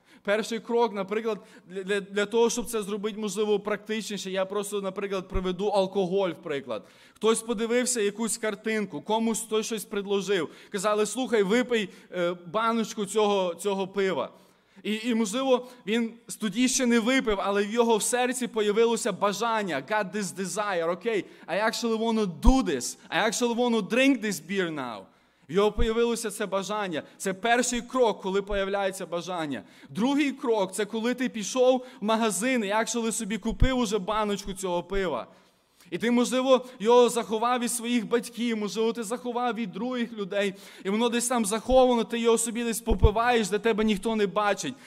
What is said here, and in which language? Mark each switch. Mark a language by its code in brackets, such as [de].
[uk] Перший крок, наприклад, для того, щоб це зробити, можливо, практичніше, я просто, наприклад, приведу алкоголь, в приклад. Хтось подивився якусь картинку, комусь хтось щось предложив. Казали, слухай, випий баночку цього пива. І можливо, він тоді ще не випив, але в його в серці появилося бажання. [en] God this desire, окей, okay, I actually want to do this, I actually want to drink this beer now. [uk] В його появилося це бажання. Це перший крок, коли появляється бажання. Другий крок – це коли ти пішов в магазин, як ли собі купив уже баночку цього пива. І ти, можливо, його заховав від своїх батьків, можливо, ти заховав від других людей, і воно десь там заховано, ти його собі десь попиваєш, де тебе ніхто не бачить.